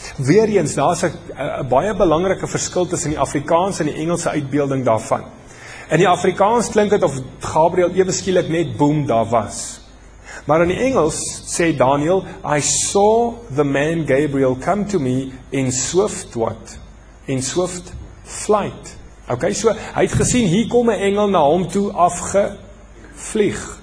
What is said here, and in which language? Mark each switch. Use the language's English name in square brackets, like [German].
[Afrikaans] Weer eens, daar is een baie belangrike verskil tussen die Afrikaans en die Engelse uitbeelding daarvan. In die Afrikaans klink het of Gabriel eweskielik net boom daar was. Maar in die Engels sê Daniel, [English] I saw the man Gabriel come to me in swift what? In swift flight. [Afrikaans] Ok, so hy het gesien, hier kom een engel na hom toe afgevlieg.